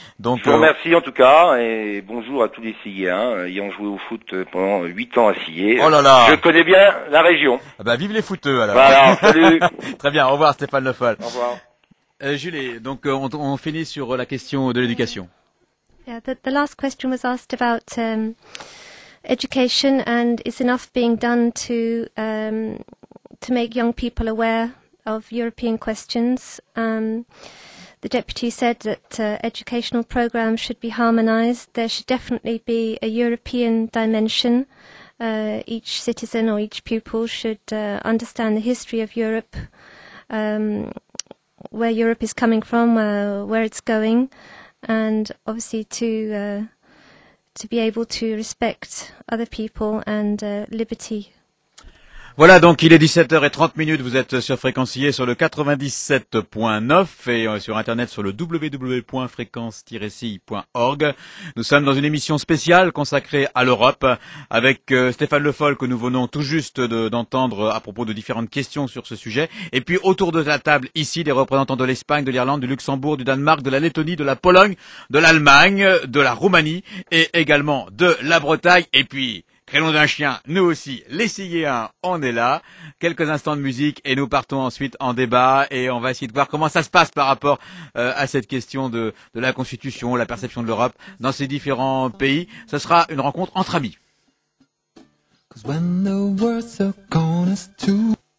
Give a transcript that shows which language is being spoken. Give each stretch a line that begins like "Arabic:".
French: Donc, je vous remercie en tout cas, et bonjour à tous les Sillyens, ayant joué au foot pendant 8 ans à Sillé. Oh là là. Je connais bien la région. Bah, vive les footeux alors. Voilà, salut. Très bien, au revoir Stéphane Le Foll. Au revoir. Julie, donc on finit sur la question de l'éducation.
English: Yeah, the last question was asked about education, and is enough being done to make young people aware of European questions? The deputy said that educational programs should be harmonised. There should definitely be a European dimension. Each citizen or each pupil should understand the history of Europe, where Europe is coming from, where it's going. And obviously to be able to respect other people and liberty.
French: Voilà, donc il est 17h30, vous êtes sur Fréquencier sur le 97.9 et sur internet sur le www.fréquence-ci.org. Nous sommes dans une émission spéciale consacrée à l'Europe avec Stéphane Le Foll que nous venons tout juste d'entendre à propos de différentes questions sur ce sujet. Et puis autour de la table ici, des représentants de l'Espagne, de l'Irlande, du Luxembourg, du Danemark, de la Lettonie, de la Pologne, de l'Allemagne, de la Roumanie et également de la Bretagne. Et puis Crayon d'un chien, nous aussi, les Sillyens, on est là. Quelques instants de musique et nous partons ensuite en débat et on va essayer de voir comment ça se passe par rapport à cette question de la constitution, la perception de l'Europe dans ces différents pays. Ce sera une rencontre entre amis.
English: 'Cause when the world's so gone is too...